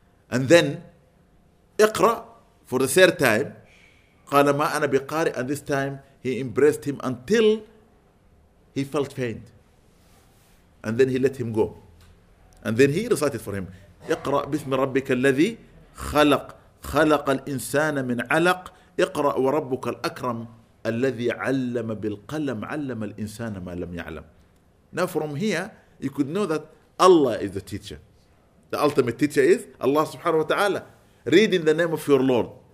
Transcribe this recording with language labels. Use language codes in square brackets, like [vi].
[en] And then, اقرأ for the third time. [ar] قال ما أنا بقاري. [en] And this time, he embraced him until he felt faint. And then he let him go. And then he recited for him. [ar] اقرأ باسم ربك الذي خلق. خلق الإنسان من علق. اقرأ وربك الأكرم الذي علم بالقلم علم الإنسان ما لم يعلم. [en] Now from here, you could know that Allah is the teacher. The ultimate teacher is Allah subhanahu wa ta'ala. Read in the name of your Lord.